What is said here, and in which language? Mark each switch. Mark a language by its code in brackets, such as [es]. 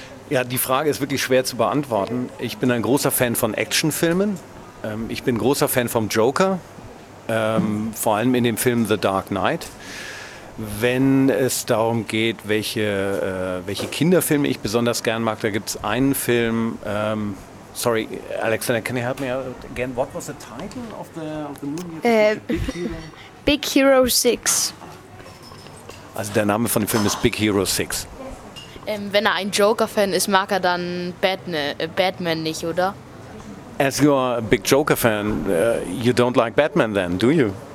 [de] Ja, die Frage ist wirklich schwer zu beantworten. Ich bin ein großer Fan von Actionfilmen. Ich bin großer Fan vom Joker, vor allem in dem Film The Dark Knight. Wenn es darum geht, welche Kinderfilme ich besonders gern mag, da gibt es einen Film. [en] Sorry, Alexander, can you help me out again? What was the title of the movie? Big Hero 6. [de] Also der Name von dem Film ist Big Hero 6. Wenn er ein Joker-Fan ist, mag er dann Batman nicht, oder? [en] As you are a big Joker-Fan, you don't like Batman then, do you?